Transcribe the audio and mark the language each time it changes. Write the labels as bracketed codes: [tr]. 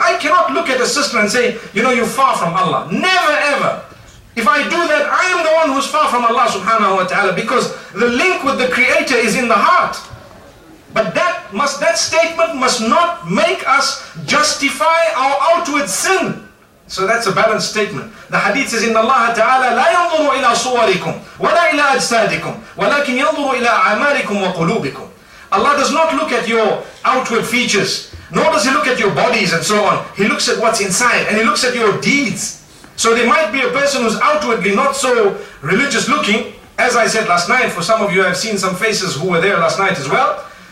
[en] I cannot look at a sister and say, you know, you're far from Allah. Never ever. If I do that, I am the one who's far from Allah subhanahu wa ta'ala, because the link with the Creator is in the heart. But that statement must not make us justify our outward sin. So that's a balanced statement. The hadith says, [ar] إِنَّ اللَّهَ تَعَالَى لَا يَنْظُرُ إِلَى صُوَرِكُمْ وَلَا إِلَى أَجْسَادِكُمْ وَلَكِنْ يَنْظُرُ إِلَى أَعْمَالِكُمْ وَقُلُوبِكُمْ. [en] Allah does not look at your outward features, nor does He look at your bodies and so on. He looks at what's inside, and He looks at your deeds. So there might be a person who's outwardly not so religious looking, as I said last night, for some of you I've seen some faces who were there last night as well.